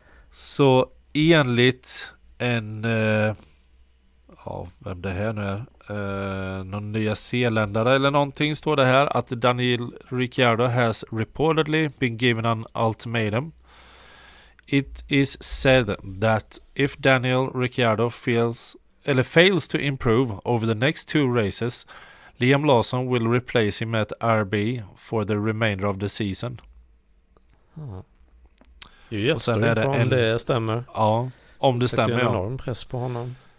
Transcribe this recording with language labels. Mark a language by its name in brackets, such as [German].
[Swedish] Så enligt en vem det här nu är, någon nya zeeländare eller någonting, står det här att [English] Daniel Ricciardo has reportedly been given an ultimatum. It is said that if Daniel Ricciardo fails to improve over the next 2 races, Liam Lawson will replace him at RB for the remainder of the season. Mm. [Swedish] Yes, och är det om det stämmer. Ja, om det stämmer. Det är enorm press på honom.